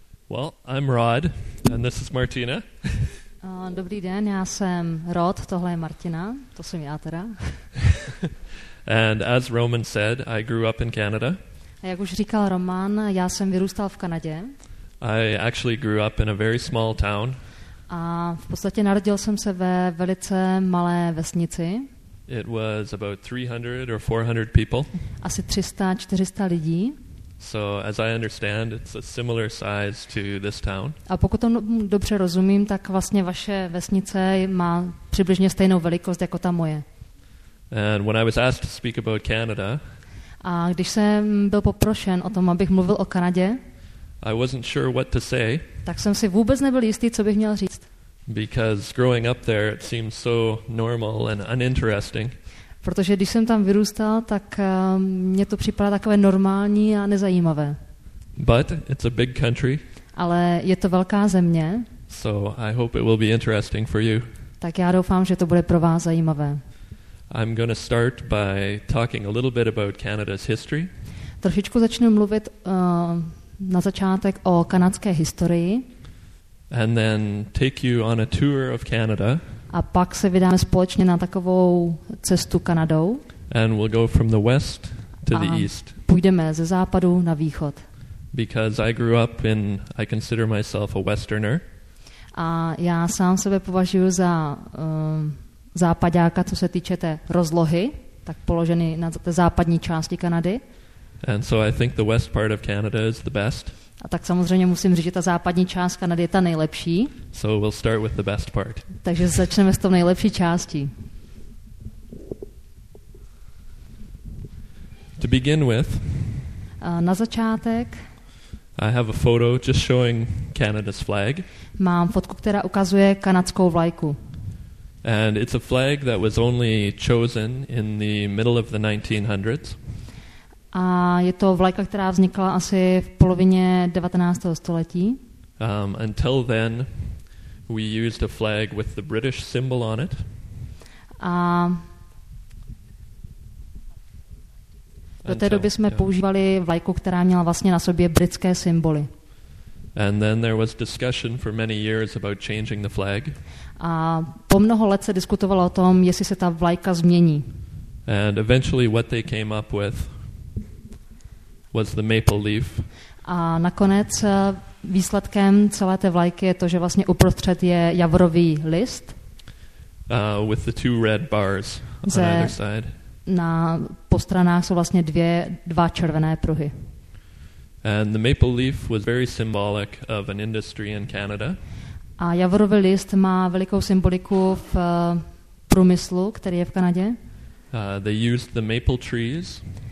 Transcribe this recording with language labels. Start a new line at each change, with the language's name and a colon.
English: Well, I'm Rod and this is Martina.
Czech: Dobrý den, já jsem Rod, tohle je Martina, to jsem já teda.
English: And as Roman said, I grew up in Canada.
Czech: A jak už říkal Roman, já jsem vyrůstal v Kanadě.
English: I actually grew up in a very small town.
Czech: A v podstatě narodil jsem se ve velice malé vesnici.
English: It was about 300 or 400 people.
Czech: Asi 300-400 lidí.
English: So as I understand, it's a similar size to this town.
Czech: A pokud to dobře rozumím, tak vlastně vaše vesnice má přibližně stejnou velikost jako ta moje.
English: And when I was asked to speak about Canada,
Czech: a když jsem byl poprošen o tom, abych mluvil o Kanadě,
English: I wasn't sure what to say.
Czech: Tak jsem si vůbec nebyl jistý, co bych měl říct.
English: Because growing up there, it seemed so normal and uninteresting.
Czech: Protože když jsem tam vyrůstal, tak mě to připadá takové normální a nezajímavé.
English: But it's a big country.
Czech: Ale je to velká země.
English: So I hope it will be interesting for you.
Czech: Tak já doufám, že to bude pro vás zajímavé.
English: I'm going to start by talking a little bit about Canada's history.
Czech: Trošičku začnu mluvit na začátek o kanadské historii.
English: And then take you on a tour of Canada.
Czech: A pak se vydáme společně na takovou cestu Kanadou.
English: And we'll go from the west to the east.
Czech: Půjdeme ze západu na východ.
English: Because I grew up in, I consider myself a westerner.
Czech: A já sám sebe považuji za západňáka, co se týče té rozlohy, tak položený na té západní části Kanady.
English: And so I think the west part of Canada is the best.
Czech: A tak samozřejmě musím říct, že ta západní část Kanady je ta nejlepší.
English: So we'll start with the best part.
Czech: Takže začneme s tou nejlepší částí.
English: To begin with.
Czech: Na začátek.
English: I have a photo just showing Canada's flag.
Czech: Mám fotku, která ukazuje kanadskou vlajku.
English: And it's a flag that was only chosen in the middle of the 1900s.
Czech: A je to vlajka, která vznikla asi v polovině 19. století.
English: Until then, we used a flag with the British symbol on it.
Czech: A do té doby jsme používali vlajku, která měla vlastně na sobě britské symboly.
English: And then there was discussion for many years about changing the flag.
Czech: A po mnoho let se diskutovalo o tom, jestli se ta vlajka změní.
English: And eventually what they came up with was the maple leaf.
Czech: A nakonec výsledkem celé té vlajky je to, že vlastně uprostřed je javorový list.
English: With the two red bars on either side.
Czech: Na po stranách jsou vlastně dva červené pruhy.
English: And the maple leaf was very symbolic of an industry in Canada.
Czech: A javorový list má velikou symboliku v průmyslu, který je v Kanadě.
English: They used the maple trees.